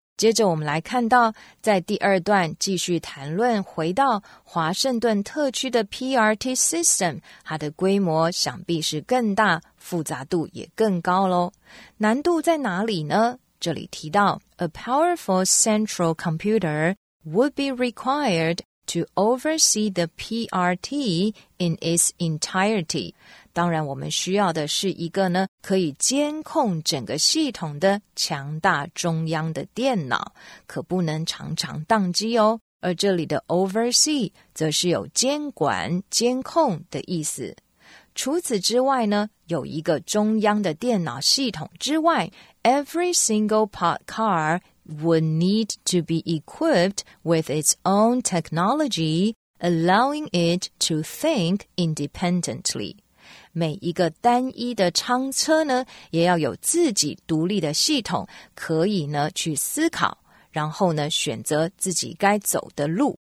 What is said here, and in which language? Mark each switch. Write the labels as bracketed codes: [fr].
[zh] 接着我们来看到，在第二段继续谈论回到华盛顿特区的 PRT system， 它的规模想必是更大，复杂度也更高咯。难度在哪里呢？这里提到 [en] A powerful central computer would be required to oversee the PRT in its entirety。 [zh] 当然我们需要的是一个呢可以监控整个系统的强大中央的电脑，可不能常常宕机哦。而这里的 oversee 则是有监管监控的意思。除此之外呢，有一个中央的电脑系统之外， [en] every single parked car would need to be equipped with its own technology, allowing it to think independently. [zh] 每一个单一的舱车呢，也要有自己独立的系统，可以呢去思考，然后呢选择自己该走的路。